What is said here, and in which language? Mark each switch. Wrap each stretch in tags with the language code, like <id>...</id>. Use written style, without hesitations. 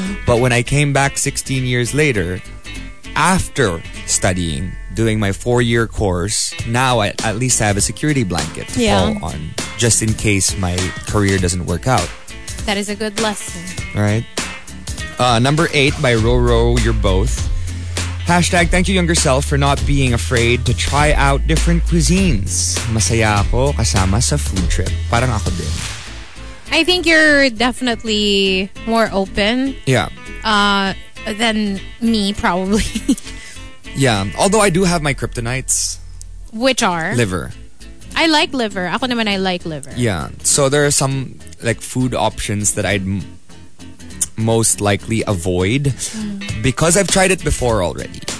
<en>But when I came back 16 years later, after studying, doing my 4-year course, now I, at least I have a security blanket to fall on, just in case my career doesn't work out. That is a good lesson. Right? Number 8 by Roro, you're both. Hashtag thank you younger self for not being afraid to try out different cuisines.</en> <tl>Masaya ako kasama sa food trip. Parang ako din.</tl> <en>I think you're definitely more open. Yeah. Than me probably. Yeah. Although I do have my kryptonites. Which are? Liver. I like liver.</en> <tl>Ako naman</tl> <en>I like liver. Yeah. So there are some like food options that I'd most likely avoid because I've tried it before already.</en>